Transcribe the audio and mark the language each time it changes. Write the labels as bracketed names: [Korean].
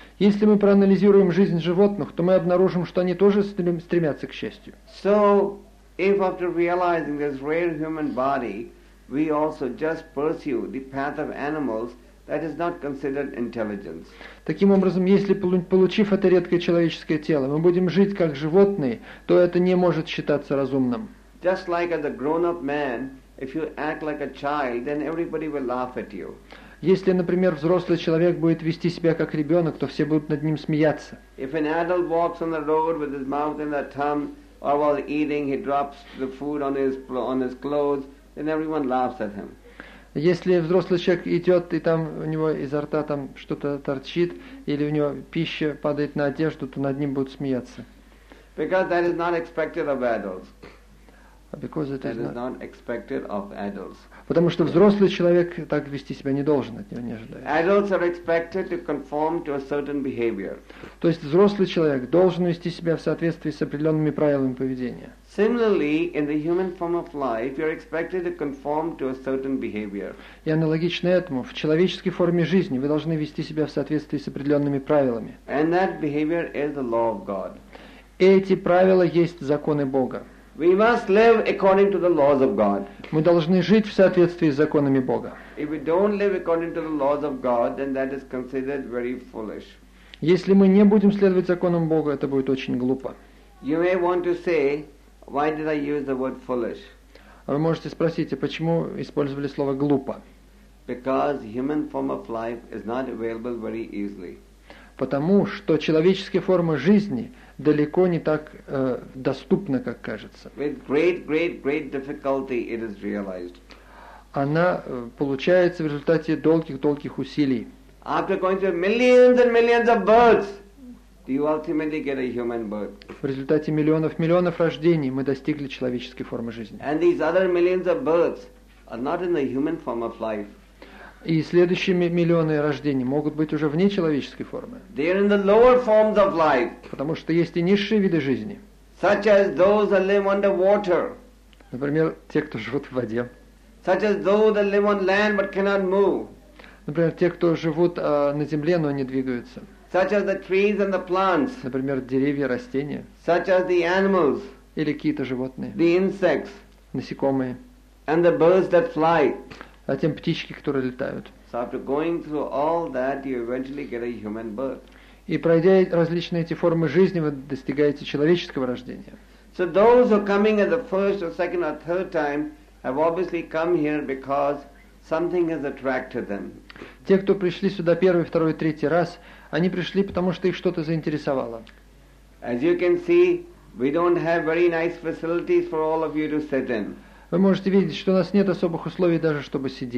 [Russian] Если мы проанализируем жизнь животных, то мы обнаружим, что они тоже стремятся к счастью. [English] So, if after realizing this rare human body, we also just pursue the path of animals, that is not considered intelligence. [Russian] Таким образом, если получив это редкое человеческое тело, мы будем жить как животные, то это не может считаться разумным. [English] Just like as a grown-up man, if you act like a child, then everybody will laugh at you. [Russian] Если, например, взрослый человек будет вести себя как ребенок, то все будут над ним смеяться. [English] If an adult walks on the road with his mouth in the tongue, or while eating, he drops the food on his clothes, then everyone laughs at him. [Russian] Если взрослый человек идет, и там у него изо рта там что-то торчит, или у него пища падает на одежду, то над ним будут смеяться. [English] Because that is not expected of adults. Because it is not expected of adults. [Russian] Потому что взрослый человек так вести себя не должен, от него не ожидает. [English] Adults are expected to conform to a certain behavior. [Russian] То есть взрослый человек должен вести себя в соответствии с определенными правилами поведения. [English] Similarly, in the human form of life, you are expected to conform to a certain behavior. [Russian] И аналогично этому, в человеческой форме жизни вы должны вести себя в соответствии с определенными правилами. [English] And that behavior is the law of God. [Russian] Эти правила есть законы Бога. [English] We must live according to the laws of God. [Russian] Мы должны жить в соответствии с законами Бога. [English] If we don't live according to the laws of God, then that is considered very foolish. [Russian] Если мы не будем следовать законам Бога, это будет очень глупо. [English] You may want to say, why did I use the word foolish? [Russian] Вы можете спросить, а почему использовали слово глупо? [English] Because human form of life is not available very easily. [Russian] Потому что человеческая форма жизни далеко не так доступна, как кажется. [English] With great, great, great difficulty it is realized. [Russian] Она получается в результате долгих-долгих усилий. [English] After going through millions and millions of births, do you ultimately get a human birth? [Russian] В результате миллионов-миллионов рождений мы достигли человеческой формы жизни. [English] And these other millions of births are not in the human form of life. [Russian] И следующие миллионы рождений могут быть уже вне человеческой формы. [English] They are in the lower forms of life. [Russian] Потому что есть и низшие виды жизни. [English] Such as those that live under water. [Russian] Например, те, кто живут в воде. [English] Such as those that live on land but cannot move. [Russian] Например, те, кто живут на земле, но не двигаются. [English] Such as the trees and the plants. [Russian] Например, деревья, растения. [English] Such as the animals. [Russian] Или какие-то животные. [English] The insects. [Russian] Насекомые. [English] And the birds that fly. [Russian] А тем птички, которые летают. [English] So after going through all that, you eventually get a human birth. [Russian] И пройдя различные эти формы жизни, вы достигаете человеческого рождения. [English] So those who are coming at the first or second or third time have obviously come here because something has attracted them. [Russian] Те, кто пришли сюда первый, второй, третий раз, они пришли, потому что их что-то заинтересовало. [English] As you can see, we don't have very nice facilities for all of you to sit in. [Russian] Вы можете видеть, что у нас нет особых условий даже, чтобы